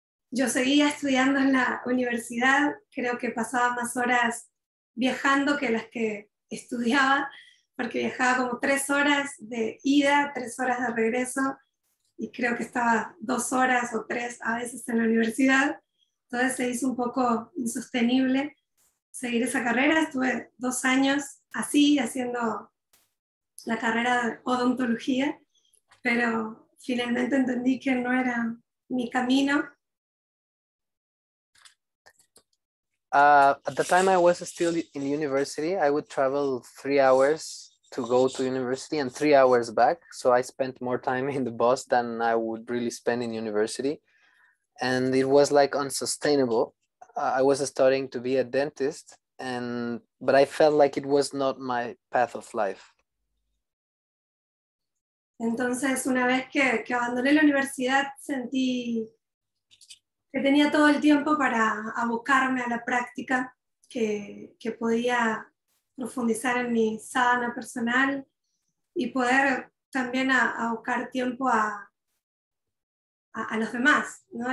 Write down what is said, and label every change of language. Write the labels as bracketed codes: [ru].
[es] Yo seguía estudiando en la universidad, creo que pasaba más horas viajando que las que estudiaba, porque viajaba como 3 horas de ida, 3 horas de regreso, y creo que estaba 2 horas o 3 a veces en la universidad. Entonces se hizo un poco insostenible seguir esa carrera. Estuve 2 años así, haciendo la carrera de odontología, pero finalmente entendí que no era mi camino. [en] At the time I was still in university, I would travel 3 hours to go to university and 3 hours back. So I spent more time in the bus than I would really spend in university. And it was like unsustainable. I was studying to be a dentist, but I felt like it was not my path of life. [es] Entonces, una vez que abandoné la universidad, sentí que tenía todo el tiempo para abocarme a la práctica, que podía profundizar en mi sadhana personal y poder también abocar tiempo a los demás, ¿no?